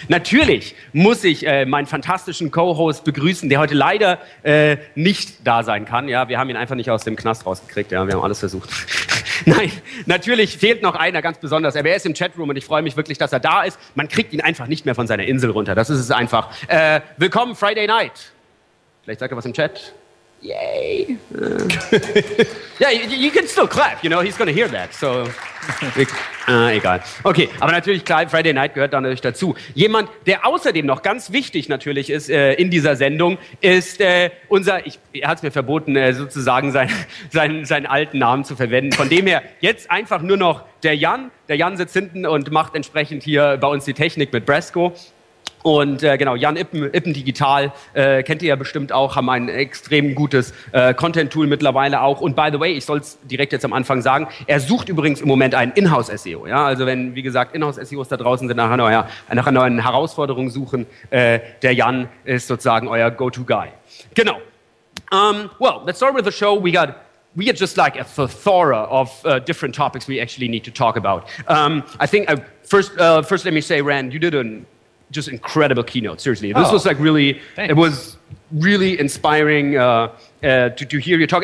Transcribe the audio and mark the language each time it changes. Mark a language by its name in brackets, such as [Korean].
[German] Natürlich muss ich meinen fantastischen Co-Host begrüßen, der heute leider nicht da sein kann. Ja, wir haben ihn einfach nicht aus dem Knast rausgekriegt, ja, wir haben alles versucht. Nein, natürlich fehlt noch einer ganz besonders, aber er ist im Chatroom und ich freue mich wirklich, dass er da ist. Man kriegt ihn einfach nicht mehr von seiner Insel runter, das ist es einfach. Willkommen Friday Night. Vielleicht sagt er was im Chat. yay. [English] you can still clap, you know, he's going to hear that, so... [German] egal. Okay, aber natürlich, klar, Friday Night gehört dann natürlich dazu. Jemand, der außerdem noch ganz wichtig natürlich ist in dieser Sendung, ist unser, er hat es mir verboten, sozusagen seinen alten Namen zu verwenden. Von dem her, jetzt einfach nur noch der Jan. Der Jan sitzt hinten und macht entsprechend hier bei uns die Technik mit Bresco. Und genau, Jan Ippen Digital, kennt ihr ja bestimmt auch, haben ein extrem gutes Content-Tool mittlerweile auch. Und [English] by the way, [German] ich soll es direkt jetzt am Anfang sagen, er sucht übrigens im Moment einen Inhouse-SEO. Ja? Also wenn, wie gesagt, Inhouse-SEOs da draußen sind, nach einer neuen Herausforderung suchen, der Jan ist sozusagen euer Go-To-Guy. Genau. [English] Well, let's start with the show. We are just like a plethora of different topics we actually need to talk about. I think, first let me say, Rand, you did an just incredible keynote, seriously. This was like really, thanks. It was really inspiring to hear you talk.